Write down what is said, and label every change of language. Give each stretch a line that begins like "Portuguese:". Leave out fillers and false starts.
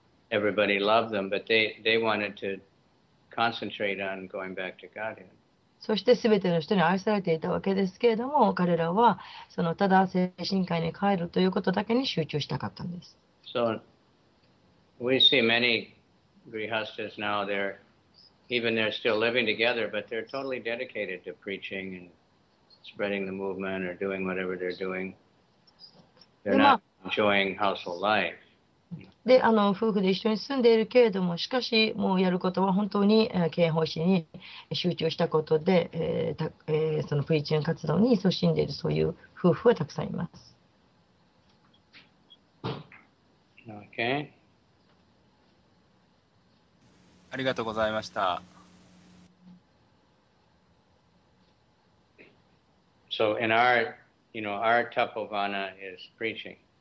English: Everybody loved them, but they wanted to concentrate on going back to Godhead.
Japanese: そして全ての人に愛されていたわけですけれども、彼らはそのただ精神界に帰るということだけに集中したかったんです。
English: So, we see many grihasthas now, they're even they're still living together, but they're totally dedicated to preaching and spreading the movement or doing whatever they're doing. They're not enjoying household life.
Japanese: で、あの夫婦で一緒に住んでいるけれども、しかしもうやることは本当に経営方針に集中したことで、そのプリチューン活動に勤しんでいるそういう夫婦はたくさんいます。
English: Okay.
Japanese: ありがとうございました。
English: So in our, you know, our tapovana is preaching.